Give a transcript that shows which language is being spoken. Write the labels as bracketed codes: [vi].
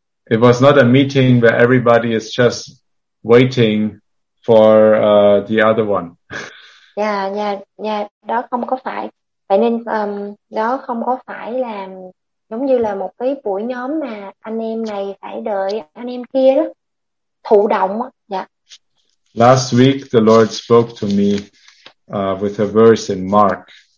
[en] It was not a meeting where everybody is just waiting for the other one. [vi] Yeah. Đó không có phải. Vậy nên đó không có phải là giống như là một cái buổi nhóm mà anh em này phải đợi anh em kia đó. Thụ động. Yeah. [en] Last week the Lord spoke to me with a verse in Mark.